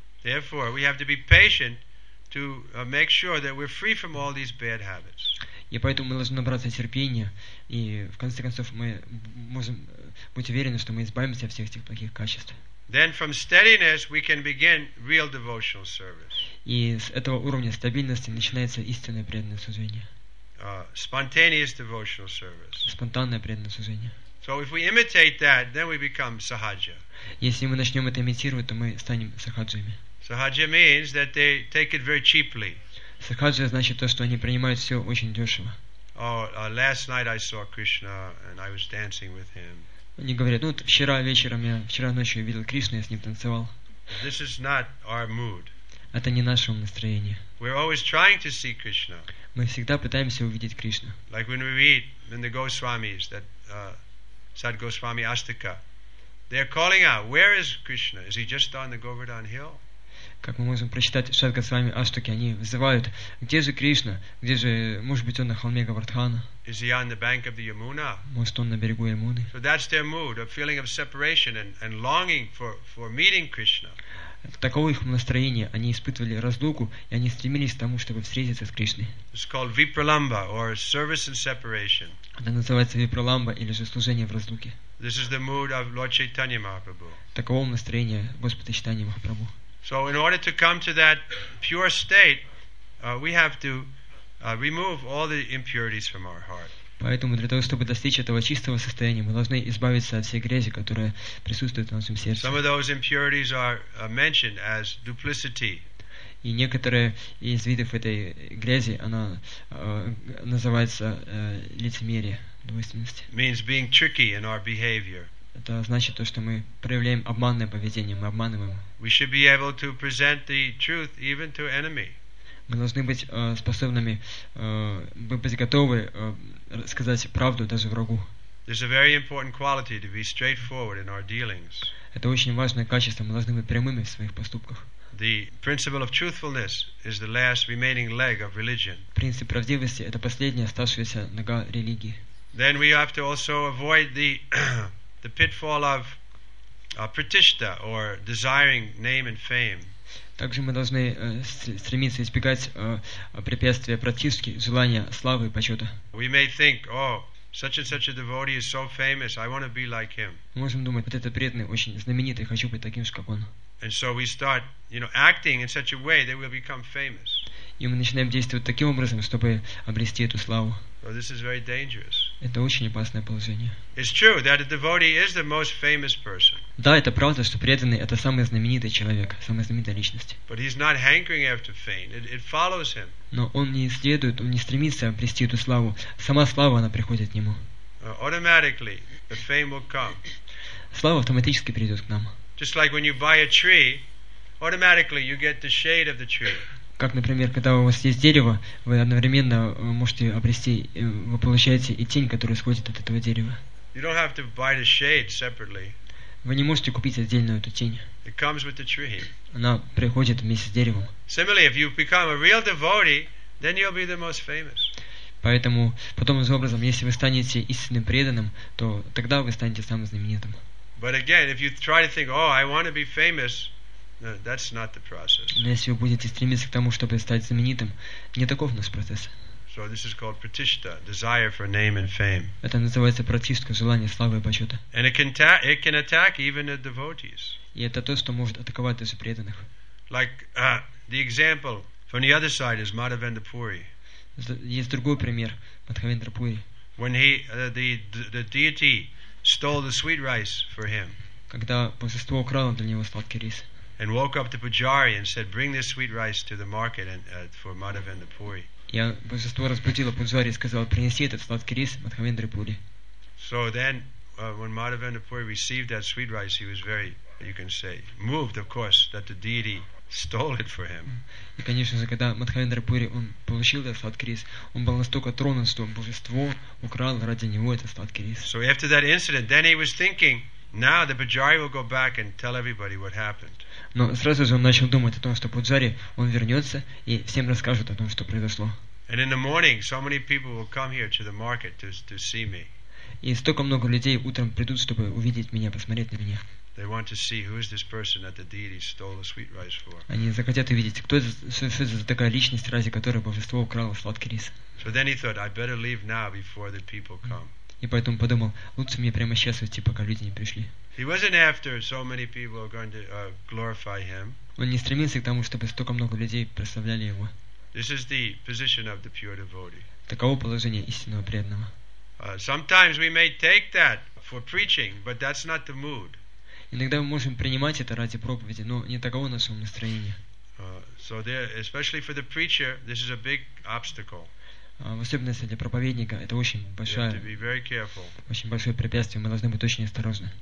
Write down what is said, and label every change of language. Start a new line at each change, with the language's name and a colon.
English: Therefore, we have to be patient to make sure that we're free from all these bad habits.
Russian: И поэтому мы должны набраться терпения, и в конце концов мы можем быть уверены, что мы избавимся от всех этих плохих качеств.
English: Then from steadiness we can begin real devotional service.
Russian: И с этого уровня стабильности начинается истинное преданное служение.
English: Spontaneous devotional service.
Russian: Спонтанное преданное служение.
English: So if we imitate that, then we become sahaja.
Russian: Если мы начнем это имитировать, то мы станем сахаджами.
English: Sahaja means that they take it very cheaply.
Russian: Сахаджа значит то, что они принимают все очень дешево.
English: Last night I saw Krishna and I was dancing with him.
Russian: Они говорят, ну вот вчера ночью я видел Кришну, я с ним танцевал.
English: This is not our mood.
Russian: Это не наше настроение.
English: We're always trying to see Krishna.
Russian: Мы всегда пытаемся увидеть Кришну.
English: Like when we read in the Goswamis that Sad Goswami Astika, they're calling out, where is Krishna? Is he just on the Govardhan Hill?
Russian: Как мы можем прочитать Сад Госвами Аштаки, они вызывают, где же Кришна? Где же, может быть, он на холме Говардхана?
English: Is he on the bank of the Yamuna?
Russian: Может, он на берегу Ямуны?
English: So that's their mood, a feeling of separation and longing for meeting Krishna.
Russian: Таково их настроение. Они испытывали разлуку, и они стремились к тому, чтобы встретиться с Кришной.
English: It's called Vipralamba, or service and separation.
Russian: Это называется Випраламба, или же служение в разлуке.
English: This is the mood of Lord Chaitanya Mahaprabhu.
Russian: Таково настроение Господа Чайтаньи Махапрабху.
English: So in order to come to that pure state, we have to remove all the impurities from our heart.
Russian: Поэтому для того, чтобы достичь этого чистого состояния, мы должны избавиться от всей грязи, которая присутствует в нашем сердце.
English: Some of those impurities are mentioned as duplicity.
Russian: И некоторые из видов этой грязи, она называется лицемерие, двойственность.
English: Means being tricky in our behavior.
Russian: Это значит то, что мы проявляем обманное поведение, мы обманываем.
English: We should be able to present the truth even to enemy.
Russian: Мы должны быть способными быть готовы сказать правду даже врагу.
English: There's a very important quality to be straightforward in our dealings.
Russian: Это очень важное качество. Мы должны быть прямыми в своих поступках.
English: The principle of truthfulness is the last remaining leg of religion.
Russian: Принцип правдивости — это последняя оставшаяся нога религии.
English: Then we have to also avoid the pitfall of pratishtha or desiring name and fame.
Russian: Также мы должны стремиться избегать препятствия пратишки, желания славы и почета.
English: We may think, such and such a devotee is so famous, I want to be like him.
Russian: Мы можем думать, вот этот преданный очень знаменитый, хочу быть таким же, как он.
English: And so we start, you know, acting in such a way that we'll become famous.
Russian: И мы начинаем действовать таким образом, чтобы обрести эту славу.
English: This is very dangerous.
Russian: Это очень опасное положение.
English: It's true that a devotee is the most famous person.
Russian: Да, это правда, что преданный — это самый знаменитый человек, самая знаменитая личность.
English: But he's not hankering after fame. It follows him.
Russian: Но он не следует, он не стремится обрести эту славу. Сама слава, она приходит к нему.
English: Automatically, the fame will come.
Russian: Слава автоматически придет к нам.
English: Just like when you buy a tree, automatically you get the shade of the tree.
Russian: Как, например, когда у вас есть дерево, вы одновременно можете обрести, вы получаете и тень, которая исходит от этого дерева.
English: You don't have to buy the shade separately.
Russian: Вы не можете купить отдельно эту тень.
English: It comes with the tree.
Russian: Она приходит вместе с деревом.
English: Similarly, if you become a real devotee, then you'll be the most famous.
Russian: Поэтому, потом же образом, если вы станете истинным преданным, то тогда вы станете самым знаменитым.
English: But again, if you try to think, I want to be famous, no, that's not the process.
Russian: Но если вы будете стремиться к тому, чтобы стать знаменитым, не таков у нас процесс.
English: So this is called pratishtha, desire for name and fame.
Russian: Это называется пратишка, желание славы и почета.
English: And it can attack even the devotees.
Russian: И это то, что может атаковать даже преданных.
English: Like the example from the other side is Madhavendra Puri.
Russian: Есть другой пример Мадхавендра Пури.
English: When the deity stole the sweet rice for him.
Russian: Когда божество украло для него сладкий рис.
English: And woke up the pujari and said, "Bring this sweet rice to the market and for Madhavendra Puri."
Russian: Я божество разбудило пуджари и сказал, принеси этот сладкий рис Мадхавендра Пури.
English: So then, when Madhavendra Puri received that sweet rice, he was very, you can say, moved. Of course, that the deity stole it for him.
Russian: И конечно же, когда Мадхавендра Пури он получил этот сладкий рис, он был настолько тронут, что божество украло ради него этот сладкий рис.
English: So after that incident, then he was thinking, now the pujari will go back and tell everybody what happened.
Russian: Но сразу же он начал думать о том, что пуджари, он вернется и всем расскажет о том, что произошло.
English: And in the morning, so many people will come here to the market to see me.
Russian: И столько много людей утром придут, чтобы увидеть меня, посмотреть на меня.
English: They want to see who is this person that the deity stole the sweet rice for.
Russian: Они захотят увидеть, кто это за такая личность, ради которой божество украло сладкий рис.
English: So then he thought, I better leave now before the people come.
Russian: И поэтому подумал, лучше мне прямо сейчас уйти, пока люди не пришли.
English: He wasn't after so many people are going to glorify him.
Russian: Он не стремился к тому, чтобы столько много людей прославляли его.
English: This is the position of the pure devotee.
Russian: Таково положение истинного преданного.
English: Sometimes we may take that for preaching, but that's not the mood.
Russian: Иногда мы можем принимать это ради проповеди, но не таково наше настроение.
English: So there, especially for the preacher, this is a big obstacle.
Russian: В особенности для проповедника это очень большое, очень большое препятствие. Мы должны быть очень осторожны.